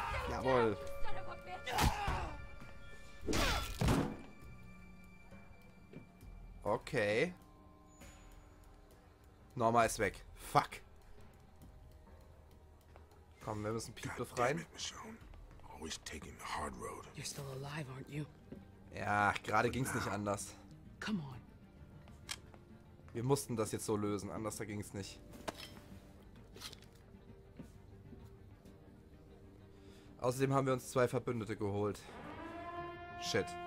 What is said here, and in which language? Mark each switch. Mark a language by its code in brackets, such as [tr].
[de] Jawohl. Okay. Norma ist weg. Fuck. Komm, wir müssen Pete befreien. [en] Always taking the hard road. You're still alive, aren't you? [de] Ja, gerade ging's nicht anders. [en] Come on. [de] Wir mussten das jetzt so lösen, anders da ging's nicht. Außerdem haben wir uns zwei Verbündete geholt. Shit.